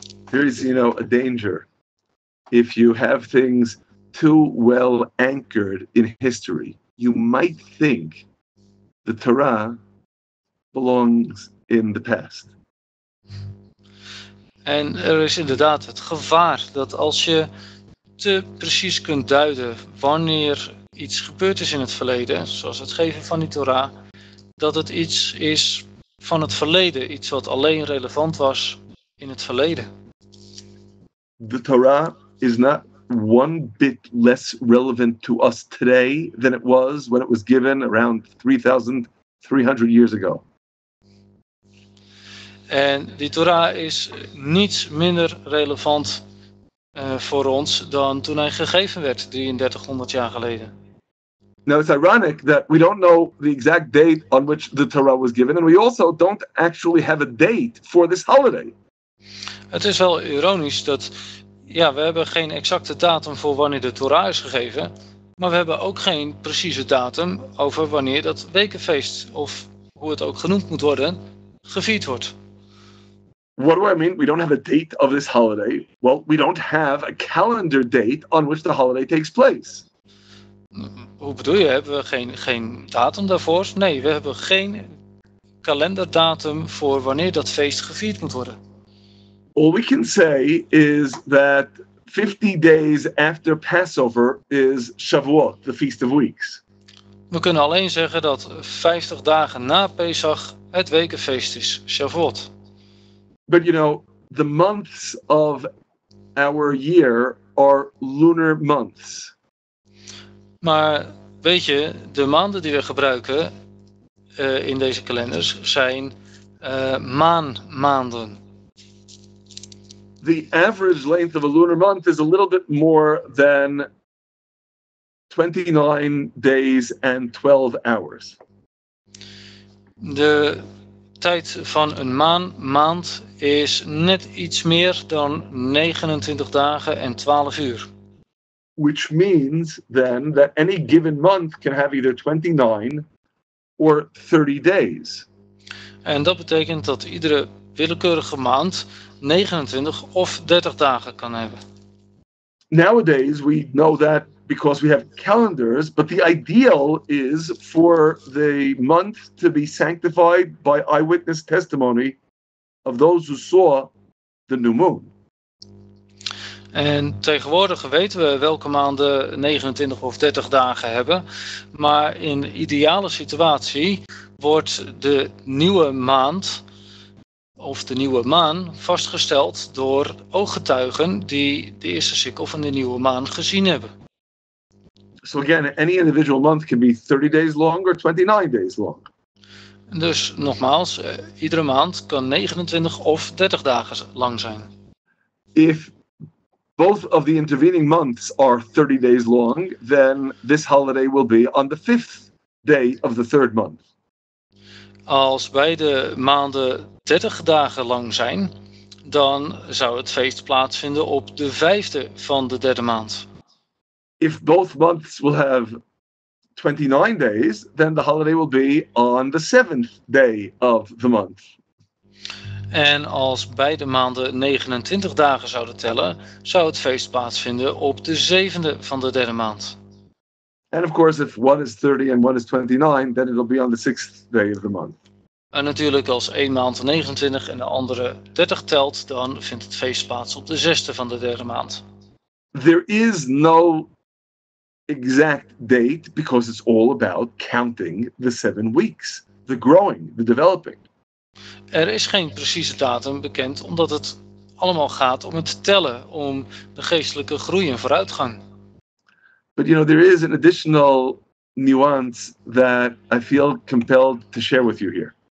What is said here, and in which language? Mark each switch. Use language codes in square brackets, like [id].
[en] There is, you know, a danger if you have things too well anchored in history. You might think the Torah belongs in the past. [nl] En er is inderdaad het gevaar dat als je te precies kunt duiden wanneer iets gebeurd is in het verleden, zoals het geven van die Torah, dat het iets is van het verleden, iets wat alleen relevant was in het verleden. [en] The Torah is not one bit less relevant to us today than it was when it was given around 3,300 years ago. [nl] En die Torah is niets minder relevant voor ons dan toen hij gegeven werd, 3300 jaar geleden. [en] Now it's ironic that we don't know the exact date on which the Torah was given, and we also don't actually have a date for this holiday. [nl] Het is wel ironisch dat, ja, we hebben geen exacte datum voor wanneer de Torah is gegeven, maar we hebben ook geen precieze datum over wanneer dat wekenfeest, of hoe het ook genoemd moet worden, gevierd wordt. [en] What do I mean? We don't have a date of this holiday. Well, we don't have a calendar date on which the holiday takes place. [nl] Hoe bedoel je? Hebben we geen datum daarvoor? Nee, we hebben geen kalenderdatum voor wanneer dat feest gevierd moet worden. [en] All we can say is that 50 days after Passover is Shavuot, the Feast of Weeks. [nl] We kunnen alleen zeggen dat 50 dagen na Pesach het wekenfeest is, Shavuot. [en] But you know, the months of our year are lunar months. [nl] Maar Weet je, de maanden die we gebruiken in deze kalenders zijn maanmaanden. [en] The average length of a lunar month is a little bit more than 29 days and 12 hours. [nl] De tijd van een maand is net iets meer dan 29 dagen en 12 uur. [en] Which means then that any given month can have either 29 or 30 days. [nl] En dat betekent dat iedere willekeurige maand 29 of 30 dagen kan hebben. [en] Nowadays we know that because we have calendars, but the ideal is for the month to be sanctified by eyewitness testimony of those who saw the new moon. [nl] En tegenwoordig weten we welke maanden 29 of 30 dagen hebben, maar in ideale situatie wordt de nieuwe maand of de nieuwe maan vastgesteld door ooggetuigen die de eerste cycle van de nieuwe maan gezien hebben. [en] So again, any individual month can be 30 days long or 29 days long. [nl] Dus nogmaals, iedere maand kan 29 of 30 dagen lang zijn. [en] If both of the intervening months are 30 days long, then this holiday will be on the fifth day of the third month. [nl] Als beide maanden 30 dagen lang zijn, dan zou het feest plaatsvinden op de vijfde van de derde maand. [en] If both months will have 29 days, then the holiday will be on the seventh day of the month. [nl] En als beide maanden 29 dagen zouden tellen, zou het feest plaatsvinden op de zevende van de derde maand. [en] And of course, if one is 30 and one is 29, then it'll be on the sixth day of the month. [nl] En natuurlijk, als één maand 29 en de andere 30 telt, dan vindt het feest plaats op de zesde van de derde maand. [en] There is no exact date, because it's all about counting the 7 weeks, the growing, the developing. [nl] Er is geen precieze datum bekend, omdat het allemaal gaat om het tellen, om de geestelijke groei en vooruitgang. [en] But you know, there is an additional nuance that I feel compelled to share with you here.